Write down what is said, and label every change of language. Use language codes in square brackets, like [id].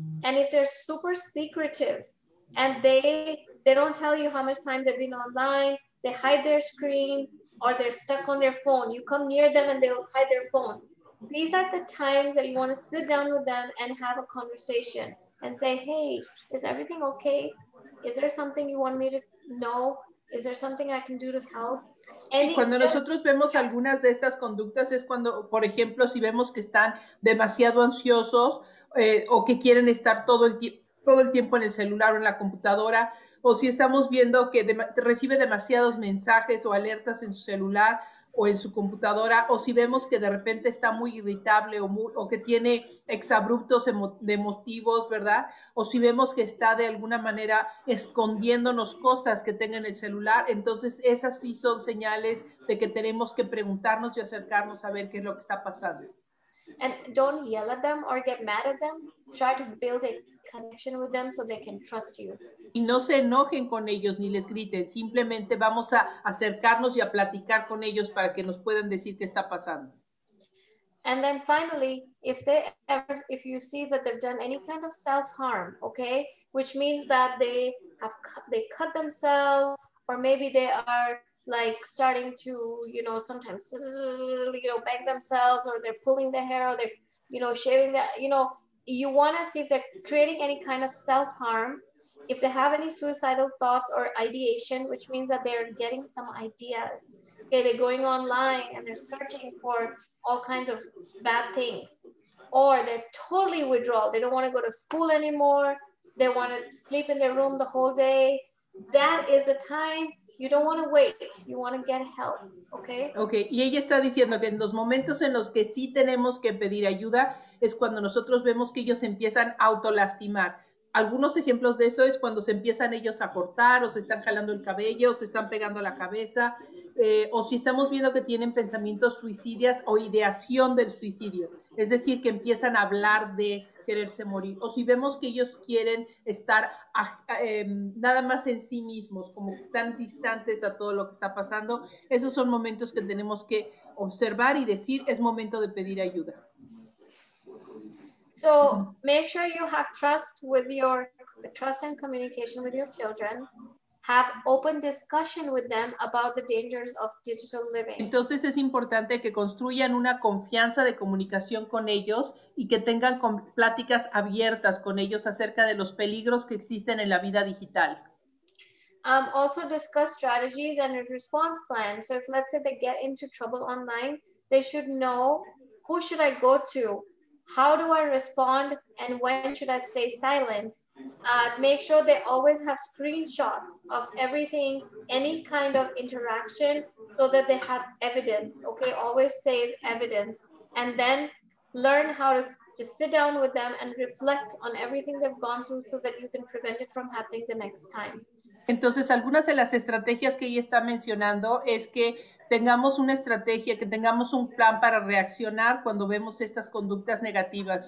[en] And if they're super secretive and they don't tell you how much time they've been online, they hide their screen, or they're stuck on their phone. You come near them and they'll hide their phone. These are the times that you want to sit down with them and have a conversation and say, hey, is everything okay? Is there something you want me to know? Is there something I can do to help? [es] Y cuando nosotros vemos algunas de estas conductas es cuando, por ejemplo, si vemos que están demasiado ansiosos o que quieren estar todo el tiempo en el celular o en la computadora, o si estamos viendo que recibe demasiados mensajes o alertas en su celular o en su computadora, o si vemos que de repente está muy irritable o que tiene exabruptos de motivos, ¿verdad? O si vemos que está de alguna manera escondiéndonos cosas que tenga en el celular, entonces esas sí son señales de que tenemos que preguntarnos y acercarnos a ver qué es lo que está pasando. [en] And don't yell at them or get mad at them. Try to build a connection with them so they can trust you. [es] Y no se enojen con ellos ni les griten. Simplemente vamos a acercarnos y a platicar con ellos para que nos puedan decir qué está pasando. [en] And then finally, if you see that they've done any kind of self-harm, okay, which means that they cut themselves, or maybe they are like starting to, you know, sometimes, you know, bang themselves, or they're pulling the hair, or they're, you know, shaving that, you know, you want to see if they're creating any kind of self-harm. If they have any suicidal thoughts or ideation, which means that they're getting some ideas, okay, they're going online and they're searching for all kinds of bad things, or they're totally withdrawal, they don't want to go to school anymore, they want to sleep in their room the whole day, that is the time. You don't want to wait. You want to get help, okay? Okay. [es] Y ella está diciendo que en los momentos en los que sí tenemos que pedir ayuda es cuando nosotros vemos que ellos empiezan a autolastimar. Algunos ejemplos de eso es cuando se empiezan ellos a cortar, o se están jalando el cabello, o se están pegando la cabeza, o si estamos viendo que tienen pensamientos suicidas o ideación del suicidio. Es decir, que empiezan a hablar de quererse morir. O si vemos que ellos quieren estar nada más en sí mismos, como que están distantes a todo lo que está pasando, esos son momentos que tenemos que observar y decir, es momento de pedir ayuda. [en] So, make sure you have trust with your trust and communication with your children. Have open discussion with them about the dangers of digital living. [es] Entonces es importante que construyan una confianza de comunicación con ellos y que tengan pláticas abiertas con ellos acerca de los peligros que existen en la vida digital. [en] Also discuss strategies and a response plan. So if let's say they get into trouble online, they should know who should I go to? How do I respond and when should I stay silent? Make sure they always have screenshots of everything, any kind of interaction, so that they have evidence, okay? Always save evidence. And then learn how to just sit down with them and reflect on everything they've gone through so that you can prevent it from happening the next time. [es] Entonces, algunas de las estrategias que ella está mencionando es que tengamos una estrategia, que tengamos un plan para reaccionar cuando vemos estas conductas negativas.